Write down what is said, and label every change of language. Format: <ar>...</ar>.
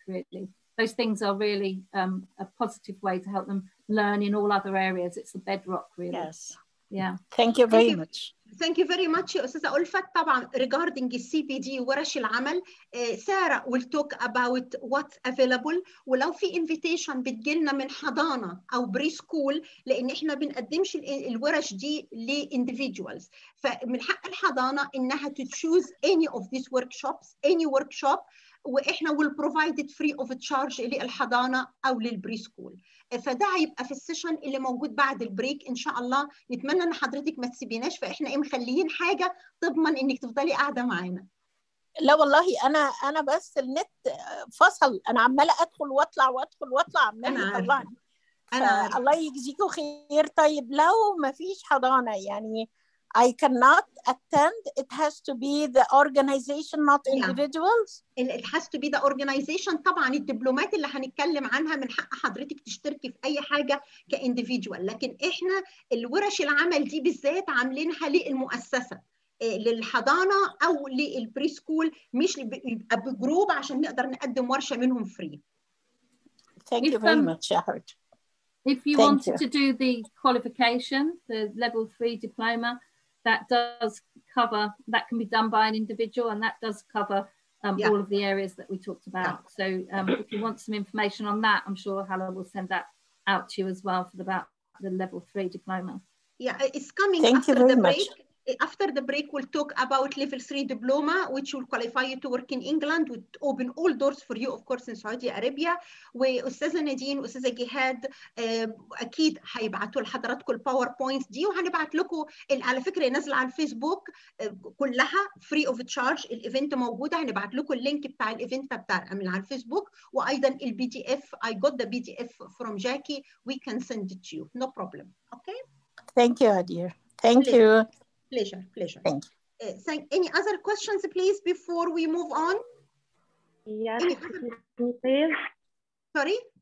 <en>Really, those things are really a positive way to help them learn in all other areas. It's the bedrock, really. Yes. Yeah. Thank you very much. Thank you very much, أستاذة ألفت. طبعا regarding CPD ورش العمل, سارة will talk about what's available.</en> <ar>ولو في invitation بتجيلنا من حضانة أو preschool, لأن إحنا بنقدمش الورش دي لindividuals. فمن حق الحضانة إنها</ar> <en>to choose any of these workshops, any workshop, وإحنا will provide it free of charge</en> <ar>للحضانة أو للpreschool. فده هيبقى في السيشن اللي موجود بعد البريك ان شاء الله. نتمنى ان حضرتك ما تسيبيناش, فاحنا ايه مخليين حاجه تضمن انك تفضلي قاعده معانا. لا والله انا بس النت فصل, انا عماله ادخل واطلع وادخل واطلع عمال يطلعني. انا الله يجزيكم خير. طيب لو ما فيش حضانه يعني</ar> <en>I cannot attend. It has to be the organization, not individuals. It has to be the organization.</en> <ar>طبعاً الدبلومات اللي هنتكلم عنها من حق حضرتك تشتركي في أي حاجة كإنديفيدوال. لكن إحنا الورش العمل دي بالذات عاملينها للمؤسسة للحضانة أو للبريسكول, مش بجروب عشان نقدر نقدم ورشة منهم فري.</ar> <en>Thank you very much, Shahid. If you wanted to do the qualification, the level 3 diploma, that does cover, that can be done by an individual, and that does cover all of the areas that we talked about. Yeah. So if you want some information on that, I'm sure Hala will send that out to you as well for about the level 3 diploma. Yeah, it's coming. Thank after you very the break. Much. After the break, we'll talk about level 3 diploma, which will qualify you to work in England, would open all doors for you, of course, in Saudi Arabia.</en> <ar>وأستاذة نادين وأستاذة جهاد أكيد هيبعتوا لحضراتكم الباوربوينتس دي, وهنبعت لكم على فكرة نزل على الفيسبوك كلها</ar> <en>free of charge.</en> <ar>الإيفنت موجودة, هنبعت لكم اللينك بتاع الإيفنت بتاع على الفيسبوك, وأيضا البي دي اف.</ar> <en>I got the PDF from Jackie. We can send it to you. No problem. Okay? Thank you, dear. Thank you. Pleasure. Thank you. Any other questions, please, before we move on? Yes, excuse me, please. Sorry?</en>